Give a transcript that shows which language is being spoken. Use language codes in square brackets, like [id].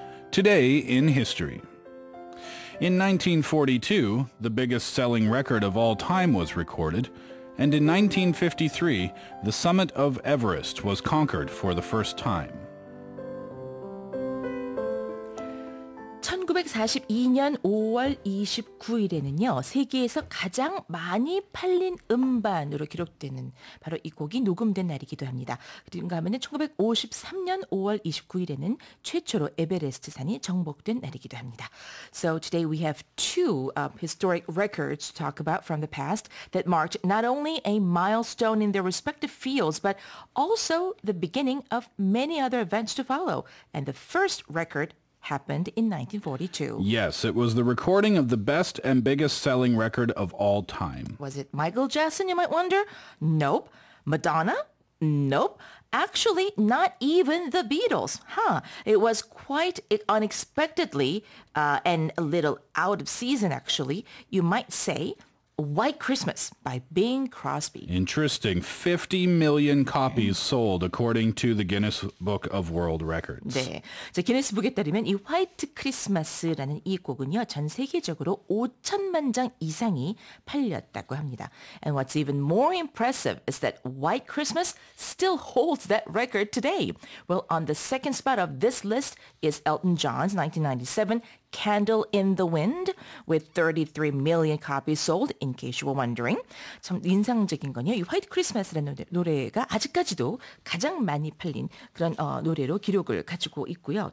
[en] Today in History. In 1942, the biggest selling record of all time was recorded, and in 1953, the summit of Everest was conquered for the first time. [ko] 1942년 5월 29일에는요, 세계에서 가장 많이 팔린 음반으로 기록되는 바로 이 곡이 녹음된 날이기도 합니다. 그런가 하면 1953년 5월 29일에는 최초로 에베레스트 산이 정복된 날이기도 합니다. [en] So today we have two historic records to talk about from the past that marked not only a milestone in their respective fields, but also the beginning of many other events to follow. And the first record happened in 1942. Yes, it was the recording of the best and biggest selling record of all time. Was it Michael Jackson, you might wonder? Nope. Madonna? Nope. Actually, not even the Beatles. Huh. It was quite unexpectedly and a little out of season, actually, you might say, White Christmas by Bing Crosby. Interesting. 50 million copies sold according to the Guinness Book of World Records. [ko] 네. 자, 기네스북에 따르면 이 화이트 크리스마스라는 이 곡은요, 전 세계적으로 5천만 장 이상이 팔렸다고 합니다. [en] And what's even more impressive is that White Christmas still holds that record today. Well, on the second spot of this list is Elton John's 1997 Candle in the Wind with 33 million copies sold, in case you were wondering. [ko] 참 인상적인 건요, 이 화이트 크리스마스라는 노래가 아직까지도 가장 많이 팔린 그런 노래로 기록을 가지고 있고요.